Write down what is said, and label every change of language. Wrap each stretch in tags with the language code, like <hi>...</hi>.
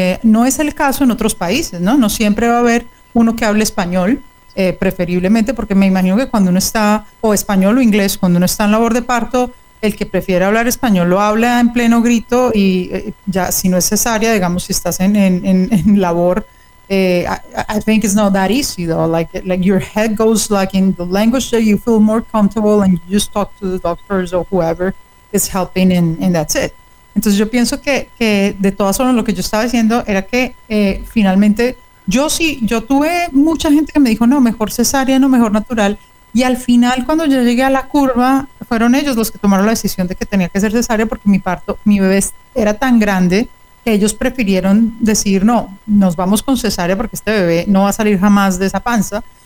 <es>No es el caso en otros países, ¿no? No siempre va a haber uno que hable español, preferiblemente, porque me imagino que cuando uno está, o español o inglés, cuando uno está en labor de parto, el que prefiere hablar español lo habla en pleno grito y ya, si no es cesárea, digamos, si estás en labor,</es> <en>I think it's not that easy, though. Like your head goes like in the language that you feel more comfortable and you just talk to the doctors or whoever is helping and that's it.</en> <es>Entonces yo pienso que de todas formas lo que yo estaba diciendo era que finalmente yo sí, yo tuve mucha gente que me dijo no, mejor cesárea, no, mejor natural, y al final cuando yo llegué a la curva fueron ellos los que tomaron la decisión de que tenía que ser cesárea, porque mi bebé era tan grande que ellos prefirieron decir no, nos vamos con cesárea porque este bebé no va a salir jamás de esa panza.</es>